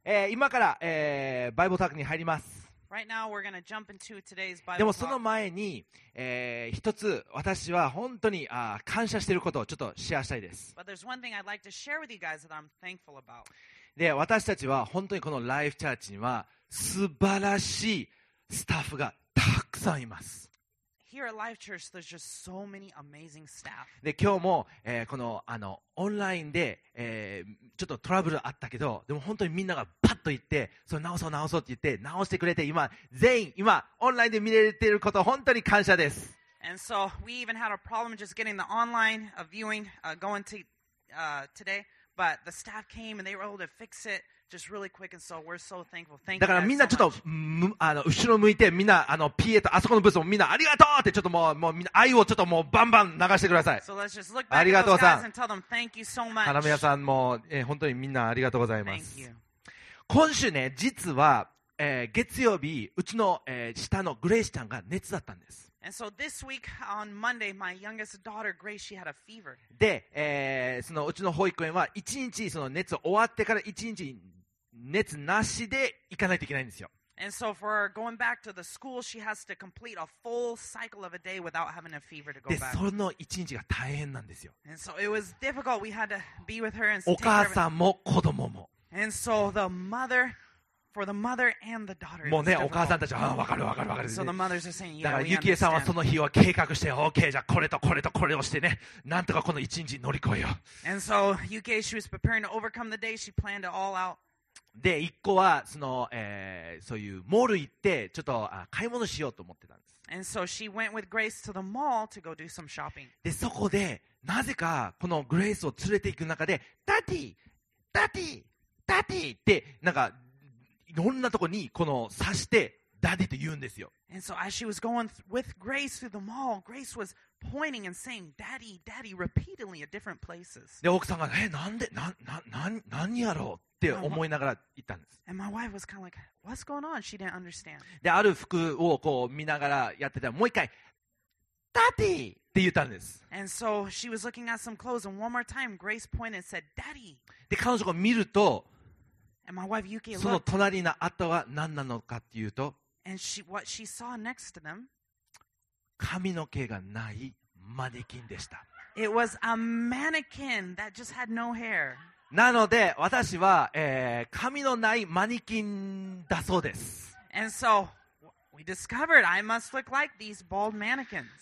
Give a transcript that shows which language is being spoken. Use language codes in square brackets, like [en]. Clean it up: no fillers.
[ja] 今から、バイブルトークに入ります。 [en] Right now we're gonna jump into today's Bible talk. [ja] でもその前に、一つ私は本当に感謝していることをちょっとシェアしたいです。 [en] But there's one thing I'd like to share with you guys that I'm thankful about. [ja] で、私たちは本当にこのライフチャーチには素晴らしいスタッフが [en] Here at Life Church, there's just so many amazing staff. [ja] で今日も、このあのオンラインで、ちょっとトラブルあったけど、でも本当にみんながパッと言って、それ直そう直そうって言って直してくれて、今全員今オンラインで見れていること本当に感謝です。 [en] And so we even had a problem just getting the online viewing going to today, but the staff came and they were able to fix it. Just really quick, and so we're so thankful. Thank you. [ja] だからみんなちょっと、後ろ向いてみんなあの PA とあそこのブースもみんなありがとうってちょっともうみんな愛をちょっともうバンバン流してください。 [en] So let's just look back [ja] ありがとうさん。 [en] And tell them thank you so much. [ja] 花宮さんも、本当にみんなありがとうございます。 [en] Thank you. [ja] 今週ね実は、月曜日うちの、下のグレイシちゃんが熱だったんです。 [en] And so this week on Monday, my youngest daughter Grace, she had a fever. [ja] で、そのうちの保育園は一日その熱終わってから一日熱なしで行かないといけないんですよ。 [en] And so for going back to the school, she has to complete a full cycle of a day without having a fever to go back. [ja] で、その一日が大変なんですよ。 [en] And so it was difficult. We had to be with her and [ja] お母さんも子供も。 [en] And so the mother, for the mother and the daughter. [ja] もうね、お母さんたちはわかるわかるわかる。 [en] So the mothers are saying, yeah, [ja] だからゆきえさんはその日を計画して、OK、じゃあこれとこれとこれをしてね、なんとかこの一日乗り越えよう。 [en] And so Yuki, she was preparing to overcome the day. She planned it all out. [ja] で一個はその、そういうモール行ってちょっと買い物しようと思ってたんです。 [en] And so she went with Grace to the mall to go do some shopping. [ja] でそこでなぜかこのグレイスを連れて行く中でダディ、ダディ、ダディってなんかいろんなとこにこの刺してダディと言うんですよ。 [en] And so as she was going with Grace through the mall, Grace was pointing and saying daddy, daddy repeatedly at different places. [ja] で奥さんがえなんでなん何やろう。って思いながら行ったんです。 [en] And my wife was kind of like, "What's going on?" She didn't understand. [ja] で、ある服をこう見ながらやってたら、もう一回、Daddy って言ったんです。 [en] And so she was looking at some clothes, and one more time, Grace pointed and said, "Daddy." [ja] で、彼女が見ると、 [en] And my wife Yuki [ja] その隣のあとは何なのかっていうと、 [en] And she, what she saw next to them, [ja] 髪の毛がないマネキンでした。 [en] It was a mannequin that just had no hair. [ja] なので私は、髪のないマニキンだそうです。 [en] And so we discovered I must look like these bald mannequins.